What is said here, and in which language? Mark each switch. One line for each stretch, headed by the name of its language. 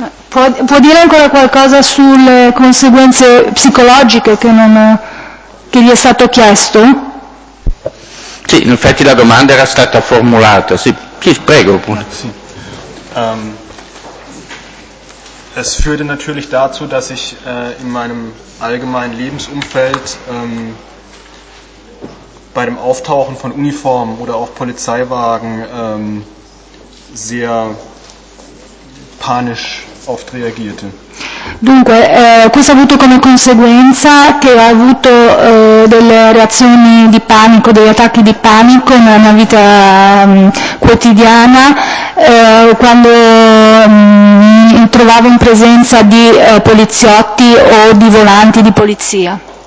Italian: Può dire ancora qualcosa sulle conseguenze psicologiche che gli è stato chiesto? Sì, in effetti la domanda era stata formulata. Sì, sì, prego.
German: Es führte natürlich dazu, dass ich in meinem allgemeinen Lebensumfeld bei dem Auftauchen von Uniformen oder auch Polizeiwagen sehr panisch oft reagierte.
Italian: Dunque, questo ha avuto come conseguenza che ho avuto delle reazioni di panico, degli attacchi di panico nella vita quotidiana, quando mi trovavo in presenza di poliziotti o di volanti di polizia.